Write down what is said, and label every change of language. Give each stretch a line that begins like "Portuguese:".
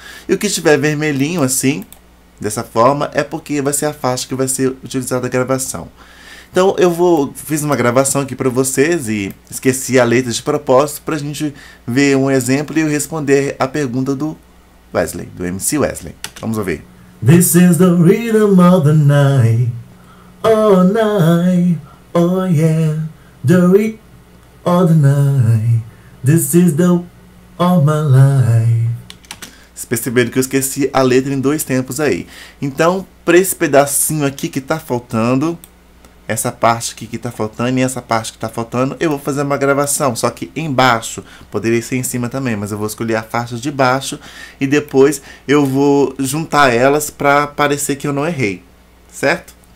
Portuguese: E o que estiver vermelhinho assim, dessa forma, é porque vai ser a faixa que vai ser utilizada a gravação. Então fiz uma gravação aqui para vocês e esqueci a letra de propósito para a gente ver um exemplo e eu responder a pergunta do Wesley, do MC Wesley. Vamos ouvir.
English: This is the rhythm of the night, all night, oh yeah, the rhythm of the night, this is the of my life.
Portuguese: Perceberam que eu esqueci a letra em dois tempos aí. Então, para esse pedacinho aqui que tá faltando, essa parte aqui que tá faltando e essa parte que tá faltando, eu vou fazer uma gravação. Só que embaixo, poderia ser em cima também, mas eu vou escolher a faixa de baixo e depois eu vou juntar elas para parecer que eu não errei, certo?